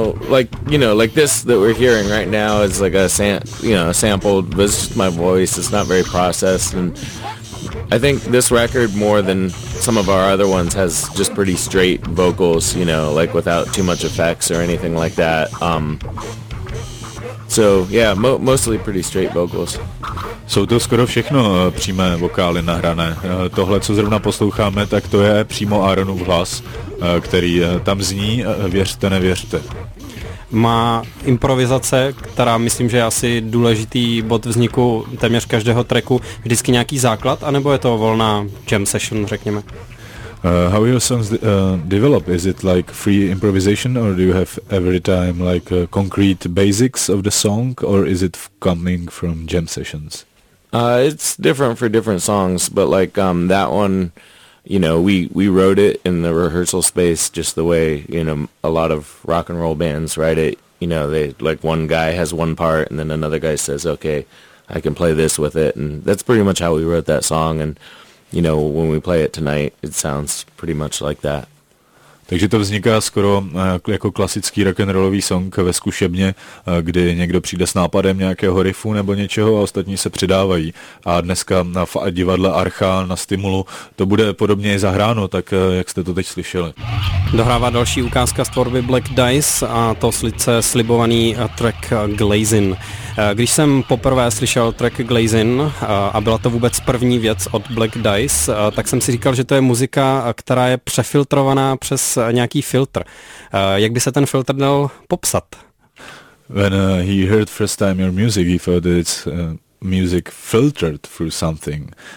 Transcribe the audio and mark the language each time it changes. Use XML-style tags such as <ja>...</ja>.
<en>Like this that we're hearing right now is like a sampled. But it's just my voice. It's not very processed, and I think this record more than some of our other ones has just pretty straight vocals. You know, like without too much effects or anything like that. So yeah, mostly pretty straight vocals.</en> <cs>Jsou to skoro všechno přímé vokály nahrané. Tohle, co zrovna posloucháme, tak to je přímo Aaronův hlas, který tam zní, věřte, nevěřte. Má improvizace, která myslím, že je asi důležitý bod vzniku téměř každého tracku, vždycky nějaký základ, anebo je to volná jam session, řekněme?</cs> <en>How your songs develop? Is it like free improvisation, or do you have every time like concrete basics of the song, or is it coming from jam sessions? It's different for different songs, but like that one, you know, we wrote it in the rehearsal space, just the way, you know, a lot of rock and roll bands write it. You know, they like one guy has one part, and then another guy says, "Okay, I can play this with it," and that's pretty much how we wrote that song. And you know, when we play it tonight, it sounds pretty much like that.</en> <cs>Takže to vzniká skoro jako klasický rock'n'rollový song ve zkušebně, kdy někdo přijde s nápadem nějakého riffu nebo něčeho a ostatní se přidávají. A dneska na divadle Archa, na Stimulu, to bude podobně i zahráno, tak jak jste to teď slyšeli. Dohrává další ukázka z tvorby Black Dice, a to slice slibovaný track Glazin. Když jsem poprvé slyšel track Glazin a byla to vůbec první věc od Black Dice, tak jsem si říkal, že to je muzika, která je přefiltrovaná přes nějaký filtr. Jak by se ten filtr dal popsat?</cs> <en>When he heard first time your music, he thought that it's music filtered through something.</en>